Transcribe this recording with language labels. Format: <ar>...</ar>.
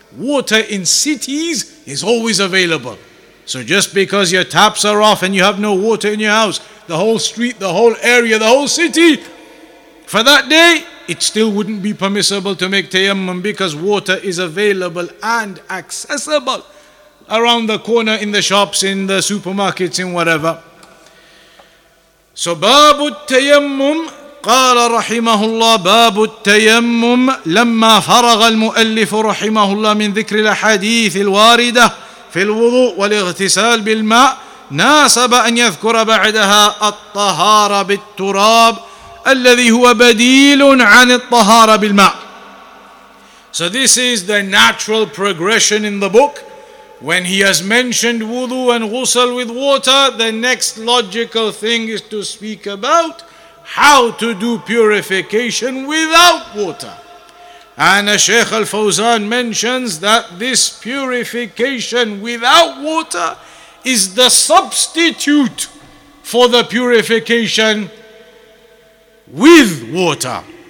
<en>Water in cities is always available. So just because your taps are off and you have no water in your house, the whole street, the whole area, the whole city, for that day, it still wouldn't be permissible to make tayammum because water is available and accessible around the corner in the shops, in the supermarkets, in whatever.</en> <ar>So babu tayammum, qala rahimahullah, babu tayammum lamma faragha al-muallif rahimahullah min dhikri al-hadith al-warida في الوضوء والاغتسال بالماء ناسب أن يذكر بعدها الطهارة بالتراب الذي هو بديل عن الطهارة بالماء.</ar> <en>So this is the natural progression in the book. When he has mentioned wudu and ghusl with water, the next logical thing is to speak about how to do purification without water. And the Shaykh Al-Fawzan mentions that this purification without water is the substitute for the purification with water.</en>